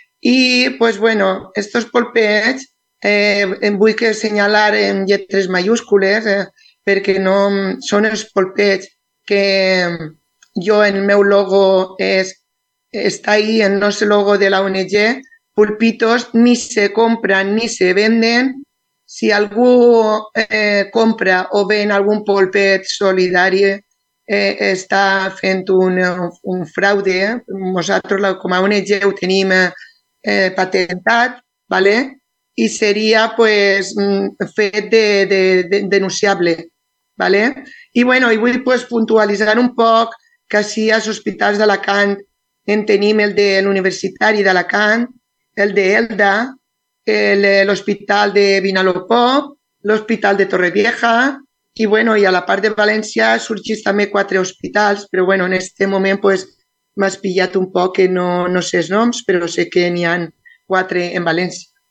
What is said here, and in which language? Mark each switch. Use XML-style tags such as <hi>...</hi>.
<ca>I, pues bueno, estos polpers vull que assenyalar en lletres mayúscules, perquè no són els polpers que jo, en el meu logo està ahí, en el nostre logo de la ONG.</ca> <es>Pulpitos ni se compran ni se venden.</es> <ca>Si algú compra o ven algun polpet solidari, està fent un fraude. Nosaltres, com a ONG, ho tenim patentat, ¿vale? I seria pues, fet de denunciable. ¿Vale? I, bueno, i vull pues, puntualitzar un poc que així als hospitals d'Alacant en tenim el de l'Universitari d'Alacant, el d'Elda, l'Hospital de Vinalopó, l'Hospital de Torrevieja i, bueno, i a la part de València sorgís també 4 hospitals, però bueno, en aquest moment pues, m'has pillat un poc que no sé els noms, però sé que n'hi ha 4 en València.</ca>